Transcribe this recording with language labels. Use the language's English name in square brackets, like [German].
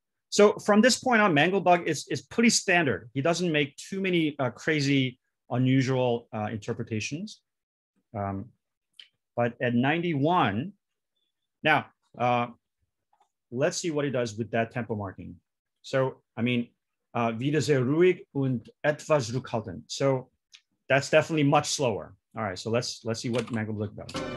[English] So from this point on, Mandelbrot is pretty standard. He doesn't make too many crazy, unusual interpretations. But at 91, now, let's see what he does with that tempo marking. So, I mean, [German] wieder sehr ruhig und etwas zurückhaltend. [English] So that's definitely much slower. All right, so let's see what Mandelbrot does.